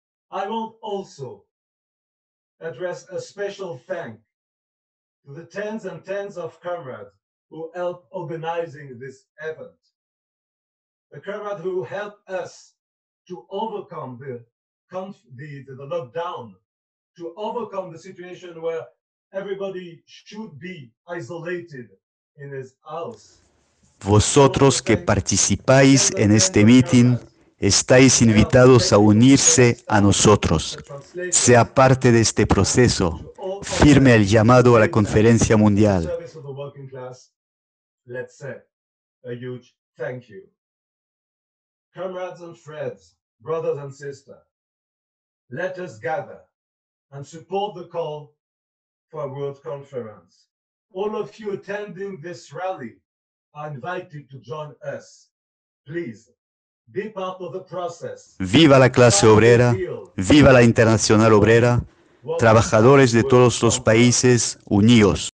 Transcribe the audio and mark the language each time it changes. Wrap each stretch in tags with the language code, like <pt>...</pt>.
<en>I want also address a special thank to the tens and tens of comrades who helped organizing this event. A comrade who helped us to overcome the lockdown, to overcome the situation where everybody should be isolated in his house.</en> <es>Vosotros que participáis en este meeting, estáis invitados a unirse a nosotros. Sea parte de este proceso. Firme el llamado a la conferencia mundial.</es> <en>Let's say a huge thank you. Comrades and friends, brothers and sisters, let us gather and support the call for a world conference. All of you attending this rally are invited to join us. Please be part of the process.</en> <es>Viva la clase obrera, viva la internacional obrera, trabajadores de todos los países, unidos.</es>